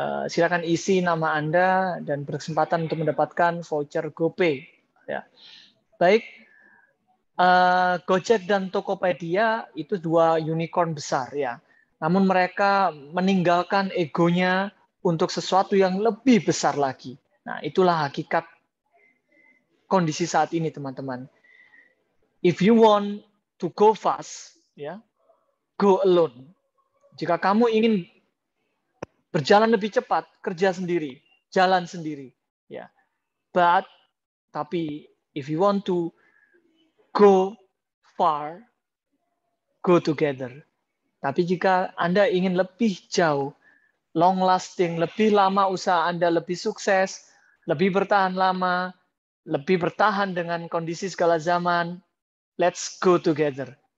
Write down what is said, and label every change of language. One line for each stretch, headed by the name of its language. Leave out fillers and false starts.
Indonesian: Silakan isi nama Anda dan berkesempatan untuk mendapatkan voucher GoPay. Ya. Baik, Gojek dan Tokopedia itu dua unicorn besar ya. Namun mereka meninggalkan egonya untuk sesuatu yang lebih besar lagi. Nah, itulah hakikat kondisi saat ini teman-teman.
English: If you want to go fast, ya, go alone.
Indonesian: Jika kamu ingin berjalan lebih cepat, kerja sendiri, jalan sendiri, ya.
English: Tapi if you want to go far, go together.
Indonesian: Tapi jika Anda ingin lebih jauh,
English: long lasting,
Indonesian: lebih lama usaha Anda lebih sukses, lebih bertahan lama, lebih bertahan dengan kondisi segala zaman,
English: let's go together.